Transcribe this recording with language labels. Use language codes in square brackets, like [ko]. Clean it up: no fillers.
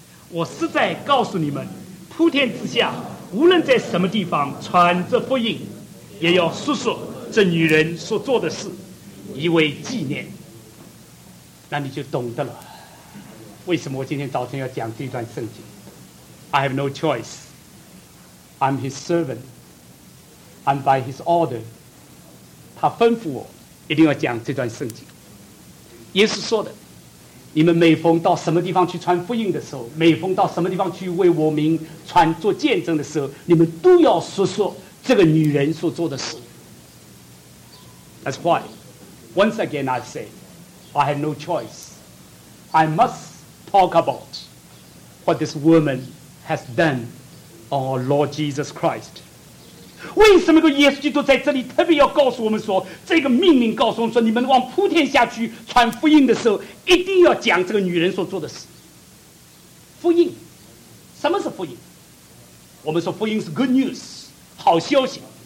[zh] 我实在告诉你们，铺天之下无论在什么地方传这福音，也要述说这女人所做的事，以为纪念。那你就懂得了为什么我今天早晨要讲这段圣经。 [en] I have no choice, I'm his servant, I'm by his order。 [zh] 他吩咐我一定要讲这段圣经。耶稣说的，你们每逢到什么地方去传福音的时候，每逢到什么地方去为我名传做见证的时候，你们都要说说这个女人所做的事。 [en] That's why once again I say I have no choice, I must talk about what this woman has done on our Lord Jesus Christ. [zh] 为什么个耶稣基督在这里特别要告诉我们说，这个命令告诉我们说，你们往普天下去传福音的时候，一定要讲这个女人所做的事。福音，什么是福音？我们说福音是 [en] good news， [zh] 好消息。